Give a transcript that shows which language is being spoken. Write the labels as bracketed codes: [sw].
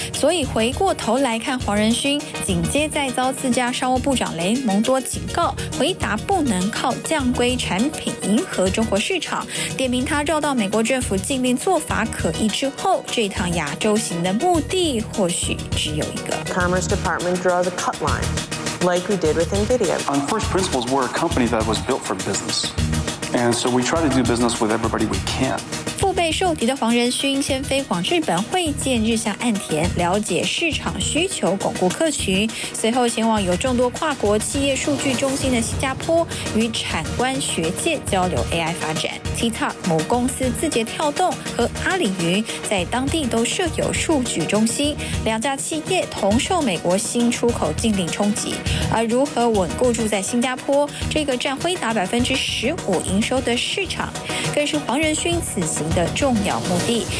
[zh] 所以回过头来看黄仁勋，紧接再遭自家商务部长雷蒙多警告，回答不能靠降规产产品迎合中国市场，点名他绕到美国政府禁令做法可疑之后，这趟亚洲行的目的或许只有一个。 [en] Commerce Department draws a cut line, like we did with Nvidia. On first principles, we're a company that was built for business, and so we try to do business with everybody we can. [zh] 腹背受敌的黄仁勋先飞往日本会见日向岸田，了解市场需求，巩固客群，随后前往有众多跨国企业数据中心的新加坡，与产官学界交流 AI 发展。 TikTok 母公司字节跳动和阿里云在当地都设有数据中心，两家企业同受美国新出口禁令冲击，而如何稳固住在新加坡这个占辉达 15% 营收的市场，更是黄仁勋此行的重要目的。